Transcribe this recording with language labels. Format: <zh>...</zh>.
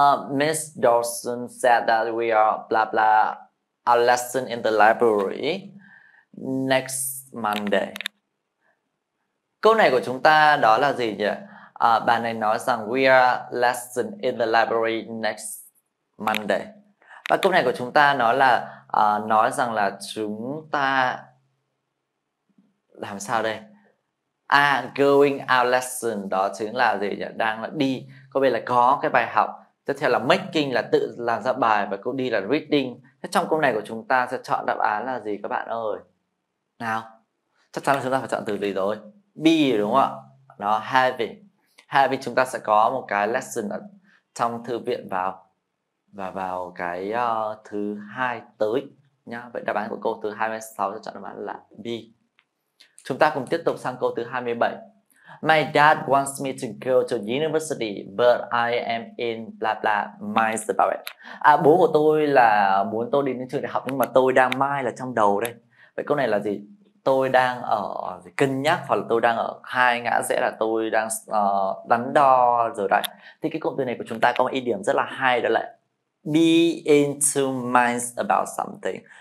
<en>Miss Dawson said that we are blah blah a lesson in the library next Monday.</en> <vi>Câu này của chúng ta đó là gì nhỉ? Bà này nói rằng</vi> <en>we are lesson in the library next Monday.</en> <vi>Và câu này của chúng ta nói là nói rằng là chúng ta làm sao đây? À,</vi> <en>going out lesson</en> <vi>đó chính là gì nhỉ? Đang là đi. Câu B là có cái bài học. Tiếp theo là making là tự làm ra bài. Và câu D là reading. Thế trong câu này của chúng ta sẽ chọn đáp án là gì các bạn ơi? Nào, chắc chắn là chúng ta phải chọn từ gì rồi? B đúng không ạ? Đó, having. Having chúng ta sẽ có một cái lesson ở trong thư viện vào. Và vào cái thứ hai tới nhá. Vậy đáp án của câu thứ 26 sẽ chọn đáp án là B. Chúng ta cùng tiếp tục sang câu thứ 27.</vi> <en>My dad wants me to go to university, but I am in blah blah minds about it.</en> <vi>À, bố của tôi là muốn tôi đi đến trường đại học nhưng mà tôi đang mind là trong đầu đây. Vậy câu này là gì? Tôi đang ở cân nhắc hoặc là tôi đang ở hai ngã rẽ là tôi đang đắn đo rồi đấy. Thì cái cụm từ này của chúng ta có một ý điểm rất là hay, đó là</vi> <en>be into minds about something.</en>